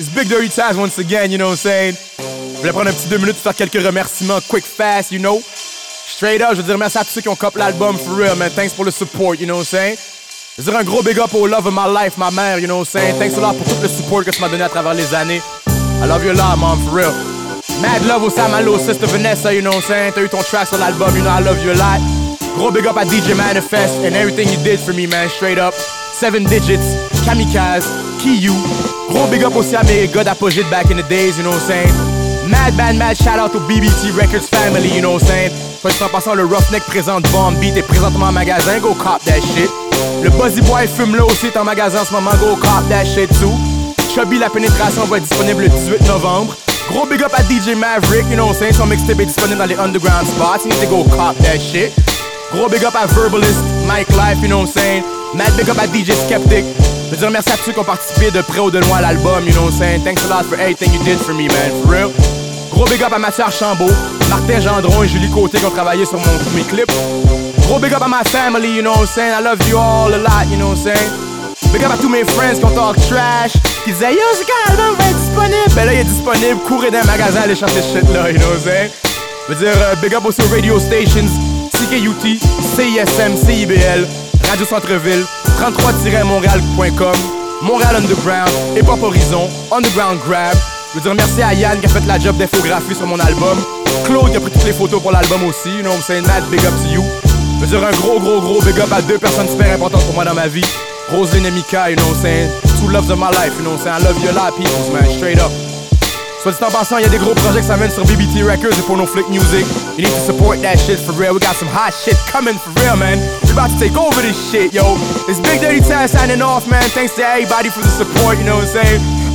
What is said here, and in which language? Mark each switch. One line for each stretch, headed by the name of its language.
English: It's Big Dirty Taz once again, you know what I'm saying?
French: Je voulais prendre un petit deux minutes pour faire quelques remerciements,
English: quick, fast, you know? Straight up,
French: je veux dire merci à tous ceux qui ont copié l'album,
English: for real, man. Thanks for the support, you know what I'm saying?
French: Je veux dire un gros
English: big up au love of my life,
French: ma mère,
English: you know what I'm saying? Thanks a lot
French: pour tout le support que tu m'as donné à travers les années.
English: I love you a lot, man, for real. Mad love au Sam Allo, Sister Vanessa, you know what I'm saying?
French: T'as eu ton track sur l'album,
English: you know I love you a lot. Gros big up à DJ Manifest and everything you did for me, man, straight up. Seven Digits, Kamikaze, Kiyu. Gros big up
French: aussi à mes gars
English: d'Apogite back in the days, you know what I'm saying? Mad, mad, mad shout out to BBT Records family, you know what I'm saying?
French: Faut juste en passant, le Roughneck présente Bomb Beat est présentement en magasin,
English: go cop that shit.
French: Le Buzzy Boy fume là aussi est en magasin en ce moment,
English: go cop that shit too.
French: Chubby La Pénétration va être disponible le 18 novembre.
English: Gros big up à DJ Maverick, you know what I'm saying?
French: Son mixtape est disponible dans les
English: underground spots, you need to go cop that shit. Gros big up à Verbalist, Mike Life, you know what I'm saying? Mad big up
French: à DJ Skeptic. Je veux dire merci à tous ceux qui ont participé de près ou de loin à l'album,
English: you know what I'm saying? Thanks a lot for everything you did for me, man, for real.
French: Gros big up à Mathieu Archambault, Martin Gendron et Julie Côté qui ont travaillé sur mes clips.
English: Gros big up à ma family, you know what I'm saying? I love you all a lot, you know what I'm saying?
French: Big up à tous mes friends qui ont
English: talk trash,
French: qui disaient yo, c'est quand l'album va être disponible? Ben là, il est disponible, courez dans un magasin, aller chercher shit là,
English: you know what I'm saying?
French: Je veux dire, big up aussi aux radio stations, CKUT, CISM, CIBL, Radio Centreville, 33-montréal.com, Montréal Underground, Hip Hop Horizon, Underground Grab. Je veux dire merci à Yann qui a fait la job d'infographie sur mon album. Claude qui a pris toutes les photos pour l'album aussi,
English: you know what I'm saying? Mad big up to you.
French: Je veux dire un gros big up à deux personnes super importantes pour moi dans ma vie.
English: Roselyne et Mika, you know what I'm saying? Two loves of my life, you know what I'm saying? I love you a lot, people, man, straight up.
French: Soit dit en passant, il y a des gros projets qui s'amènent sur BBT Records et pour nos flick music.
English: You need to support that shit for real. We got some hot shit coming for real, man. We about to take over this shit, yo. It's Big Dirty Taz signing off, man. Thanks to everybody for the support, you know what I'm saying?